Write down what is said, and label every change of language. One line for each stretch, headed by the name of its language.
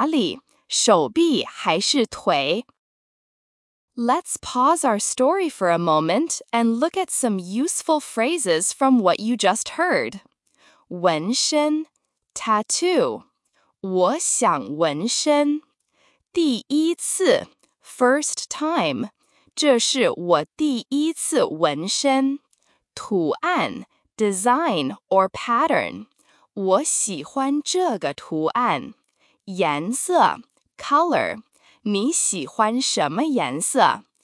Chinese: 纹身师拿出一本大册子，里面有很多花朵的图片。他问：“你现在要纹在哪里？手臂还是腿？”
English: Let's pause our story for a moment and look at some useful phrases from what you just heard.
Chinese: 纹身 tattoo 我想纹身 第一次 first time 这是我第一次纹身。图案 design or pattern 我喜欢这个图案。颜色 color 你喜欢什么颜色?